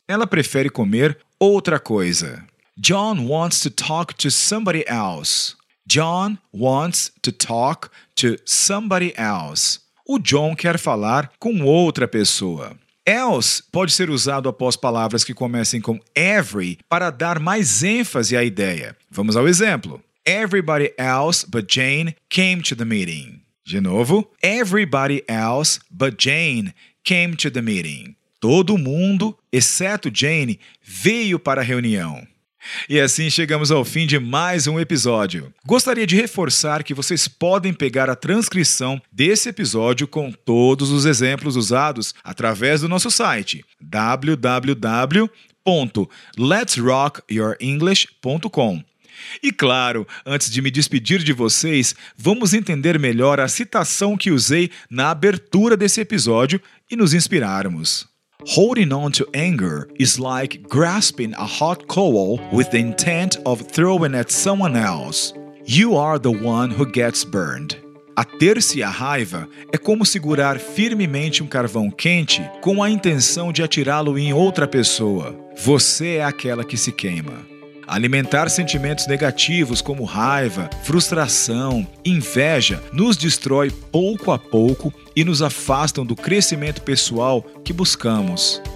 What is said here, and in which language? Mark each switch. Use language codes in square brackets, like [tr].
[pt] Ela prefere comer outra coisa. [en] John wants to talk to somebody else. John wants to talk to somebody else. [pt] O John quer falar com outra pessoa. Else pode ser usado após palavras que comecem com every para dar mais ênfase à ideia. Vamos ao exemplo. [en] Everybody else but Jane came to the meeting. [pt] De novo. [en] Everybody else but Jane came to the meeting. [pt] Todo mundo, exceto Jane, veio para a reunião. E assim chegamos ao fim de mais um episódio. Gostaria de reforçar que vocês podem pegar a transcrição desse episódio com todos os exemplos usados através do nosso site www.letsrockyourenglish.com. E claro, antes de me despedir de vocês, vamos entender melhor a citação que usei na abertura desse episódio e nos inspirarmos. [en] Holding on to anger is like grasping a hot coal with the intent of throwing at someone else. You are the one who gets burned. [pt] Ater-se à raiva é como segurar firmemente um carvão quente com a intenção de atirá-lo em outra pessoa. Você é aquela que se queima. Alimentar sentimentos negativos como raiva, frustração, inveja nos destrói pouco a pouco e nos afastam do crescimento pessoal que buscamos.